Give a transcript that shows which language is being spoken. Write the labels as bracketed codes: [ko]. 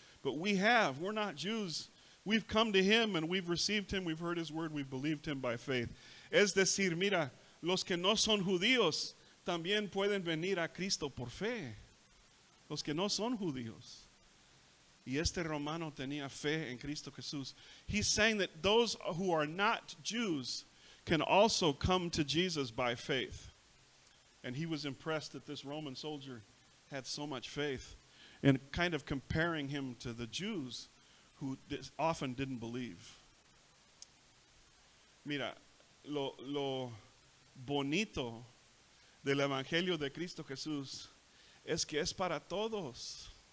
[en] But we have, we're not Jews. We've come to him and we've received him, we've heard his word, we've believed him by faith. [es] Es decir, mira, los que no son judíos también pueden venir a Cristo por fe. Los que no son judíos. Y este romano tenía fe en Cristo Jesús. [en] He's saying that those who are not Jews can also come to Jesus by faith. And he was impressed that this Roman soldier had so much faith, and kind of comparing him to the Jews who often didn't believe. [es] Mira, lo bonito del Evangelio de Cristo Jesús es que es para todos.